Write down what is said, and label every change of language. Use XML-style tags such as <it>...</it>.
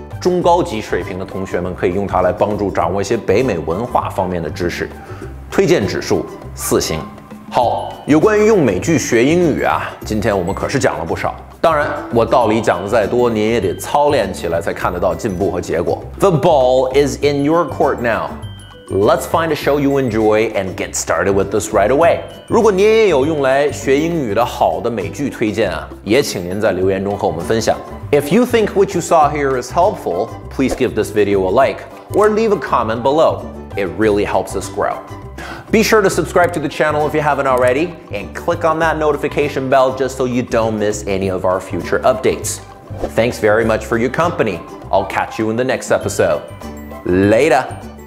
<zh>中高级水平的同学们可以用它来帮助掌握一些北美文化方面的知识。推荐指数4。好，有关于用美剧学英语啊，今天我们可是讲了不少。当然，我道理讲得再多，您也得操练起来才看得到进步和结果。</zh> <en>The ball is in your court now. Let's find a show you enjoy and get started with this right away.</en> <zh>如果您也有用来学英语的好的美剧推荐啊，也请您在留言中和我们分享。</zh> <en>If you think what you saw here is helpful, please give this video a like or leave a comment below. It really helps us grow. Be sure to subscribe to the channel if you haven't already, and click on that notification bell just so you don't miss any of our future updates. Thanks very much for your company. I'll catch you in the next episode. Later!</en>